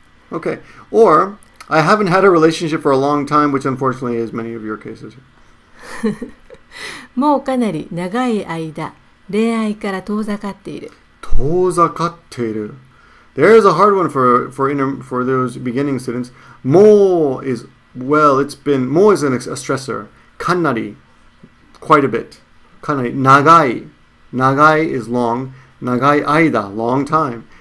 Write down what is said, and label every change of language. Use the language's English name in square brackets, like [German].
[English] Okay, or I haven't had a relationship for a long time, which unfortunately is many of your cases. [Japanese] もうかなり長い間恋愛から遠ざかっている。遠ざかっている。 [English] There is a hard one for those beginning students. もう is, well, it's been, もう is a stressor. かなり, quite a bit. [Japanese] かなり長い。 [English] 長い is long. 長い間, long time.